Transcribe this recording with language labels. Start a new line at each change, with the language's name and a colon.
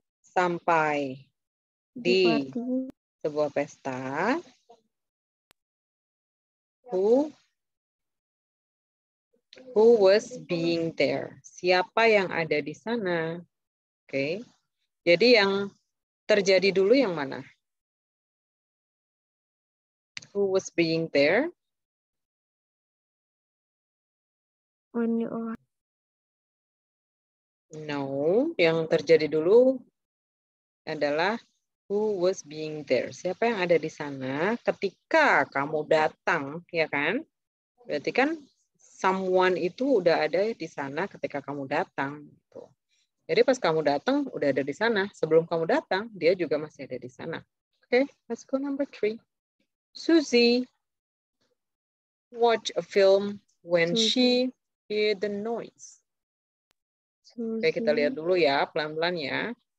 Indonesian: sampai di sebuah pesta,
English: who was being there?
Indonesian: Siapa yang ada di sana? Oke. Okay. Jadi yang terjadi dulu yang mana?
English: Who was being there? When you arrived.
Indonesian: No, yang terjadi dulu adalah
English: who was being there.
Indonesian: Siapa yang ada di sana ketika kamu datang, ya kan? Berarti kan someone itu udah ada di sana ketika kamu datang. Jadi pas kamu datang, udah ada di sana. Sebelum kamu datang, dia juga masih ada di sana.
English: Okay, let's go number three. Susie watch a film when she hear the noise.
Indonesian: Oke, kita lihat dulu ya, pelan-pelan ya.